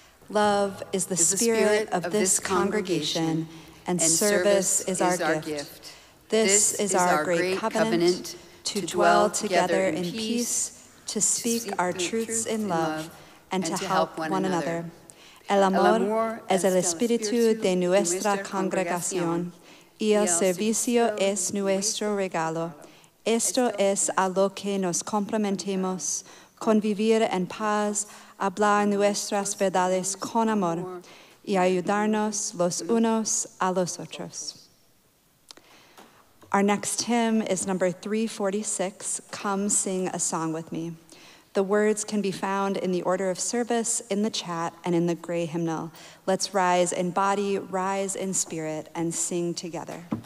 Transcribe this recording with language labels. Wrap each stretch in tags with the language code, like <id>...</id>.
<en>Love is the spirit of this congregation, and service is our gift. This is our great covenant, to dwell together in peace, to speak our truths in love, and to help one another.</en> <es>El amor es el espíritu de nuestra congregación, y el servicio es nuestro regalo. Esto es a lo que nos comprometemos, convivir en paz, hablar nuestras verdades con amor, y ayudarnos los unos a los otros.</es> <en>Our next hymn is number 346, Come Sing a Song with Me. The words can be found in the order of service, in the chat, and in the gray hymnal. Let's rise in body, rise in spirit, and sing together.</en>